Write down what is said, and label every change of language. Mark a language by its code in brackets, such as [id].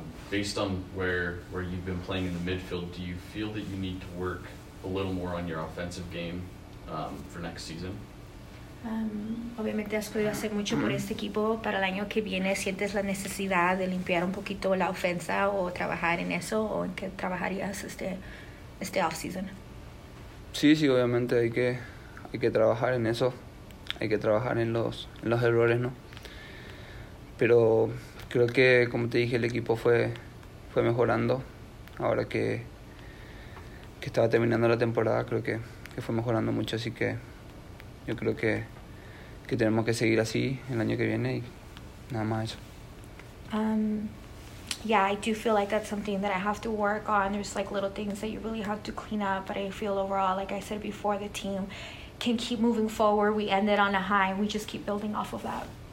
[en] Based on where you've been playing in the midfield, do you feel that you need to work a little more on your offensive game for next season? [es] Obviamente has podido hacer mucho por este equipo. Para el año que viene, ¿sientes la necesidad de limpiar un poquito la ofensa o trabajar en eso? ¿O en qué trabajarías este off-season? Sí, obviamente hay que trabajar en eso. Hay que trabajar en los errores, ¿no? Pero creo que, como te dije, el equipo fue mejorando. Ahora que estaba terminando la temporada, creo que fue mejorando mucho, así que yo creo que tenemos que seguir así el año que viene y nada más eso. [en] Yeah, I do feel like that's something that I have to work on. There's like little things that you really have to clean up, but I feel overall, like I said before, the team can keep moving forward. We ended on a high, and we just keep building off of that.